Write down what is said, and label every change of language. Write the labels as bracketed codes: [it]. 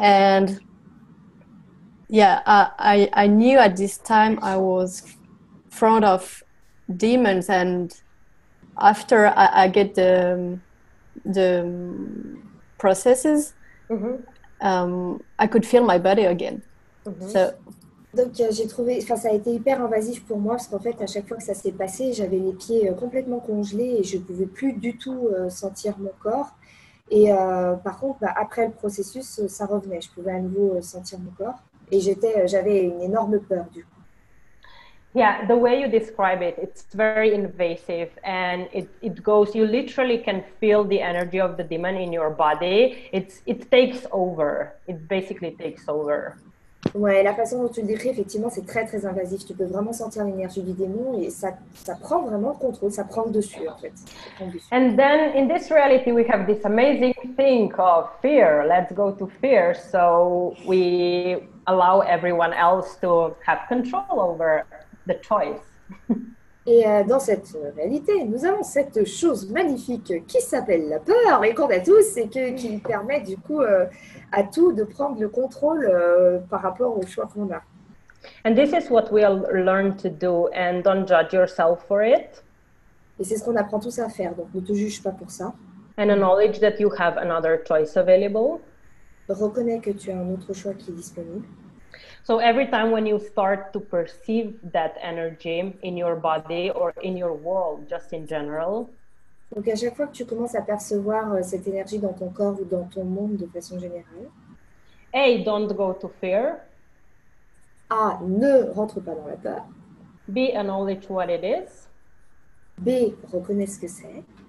[en] and yeah, I knew at this time I was in front of demons, and after I get the processes, mm-hmm. I could feel my body again. Mm-hmm. So. [fr] Donc j'ai trouvé, enfin ça a été hyper invasif pour moi parce qu'en fait à chaque fois que ça s'est passé, j'avais mes pieds complètement congelés et je pouvais plus du tout sentir mon corps. Et par contre, bah, après le processus, ça revenait, je pouvais à nouveau sentir mon corps. Et j'avais une énorme peur du coup. [en] Yeah, the way you describe it, it's very invasive and it goes. You literally can feel the energy of the demon in your body. It takes over. It basically takes over. [fr] Ouais, la façon dont tu le décris, effectivement, c'est très, très invasif. Tu peux vraiment sentir l'énergie du démon et ça prend vraiment le contrôle, ça prend le dessus, en fait. [en] And then, in this reality, we have this amazing thing of fear. Let's go to fear. So, we allow everyone else to have control over the choice. [fr] Et dans cette réalité, nous avons cette chose magnifique qui s'appelle la peur et qu'on a tous et qui permet du coup à tout de prendre le contrôle par rapport au choix qu'on a. [en] And this is what we'll learn to do and don't judge yourself for it. [fr] Et c'est ce qu'on apprend tous à faire, donc ne te juge pas pour ça. [en] And acknowledge that you have another choice available. [fr] Reconnais que tu as un autre choix qui est disponible. [en] So every time when you start to perceive that energy in your body or in your world, just in general. [fr] Donc à chaque fois que tu commences à percevoir cette énergie dans ton corps ou dans ton monde de façon générale. [en] A, don't go to fear. [fr] A, ne rentre pas dans la peur. [en] B, acknowledge what it is. [fr] B, reconnais ce que c'est.